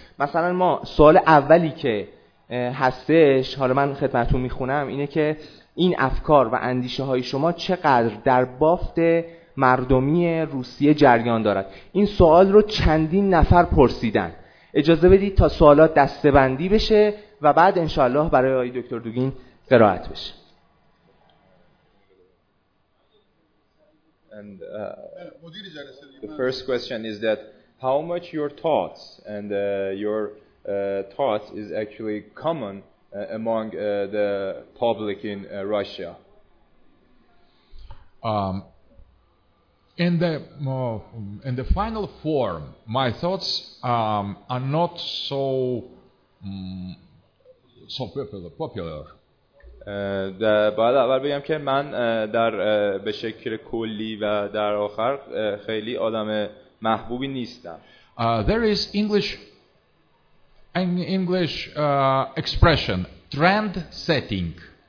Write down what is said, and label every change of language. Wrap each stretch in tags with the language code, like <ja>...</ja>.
<fa>مثلا ما سوال اولی که هستش، حالا من خدمتتون میخونم، اینه که این افکار و اندیشه های شما چقدر در بافت مردمی روسیه جریان دارد؟ این سوال رو چندین نفر پرسیدن. اجازه بدید تا سوالات دسته‌بندی بشه و بعد انشالله برای آقای دکتر دوگین قرائت بشه.</fa> <en>And the first question is that how much your thoughts and your thoughts is actually common among the public in Russia. In the final form, my thoughts are not so so popular.</en> <fa>باید اول بگم که من در به شکل کلی و در آخر خیلی آدم محبوبی نیستم.</fa> <en>There is an English expression, trend setting.</en>